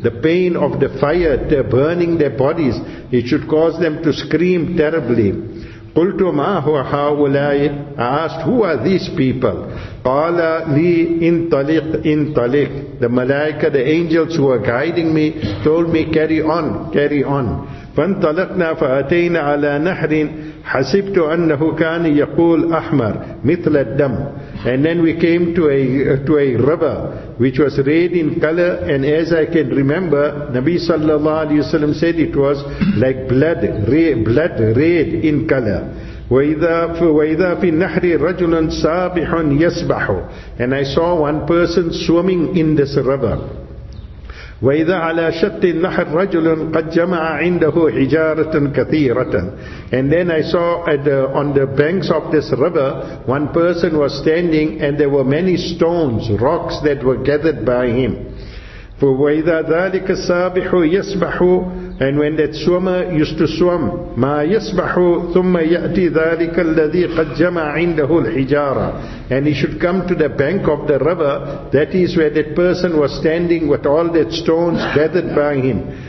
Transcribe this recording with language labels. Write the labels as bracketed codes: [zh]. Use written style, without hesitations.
[en] The pain of the fire, they're burning their bodies, it should cause them to scream terribly. [ar] قلت ما هو هؤلاء. [en] I asked, who are these people? [ar] قال لي انطلق. [en] The malaika, the angels who were guiding me, told me, carry on. [ar] فانطلقنا فأتينا على نهر حسبت أنه كان يقول أحمر مثل الدم. [en] And then we came to a river which was red in color, and as I can remember, Nabi sallallahu alayhi wa sallam said it was like blood red in color. [ar] وَإِذَا فِي النَّحْرِ رَجُلًا سَابِحٌ يَسْبَحُ. [en] And I saw one person swimming in this river. [ar] وَإِذَا عَلَى شَتِّ النَّحْرِ رَجُلًا قَدْ جَمَعَ عِنْدَهُ حِجَارَةً كَثِيرَةً. [en] And then I saw on the banks of this river, one person was standing and there were many stones, rocks that were gathered by him. [ar] وَإِذَا ذَلِكَ السَّابِحُ يَسْبَحُ. [en] And when that swimmer used to swim, [ar] مَا يَسْبَحُ ثُمَّ يَأْتِي ذَلِكَ الَّذِي قَدْ جَمَعَ عِنْدَهُ الْحِجَارَةِ. [en] And he should come to the bank of the river, that is where that person was standing with all that stones gathered by him.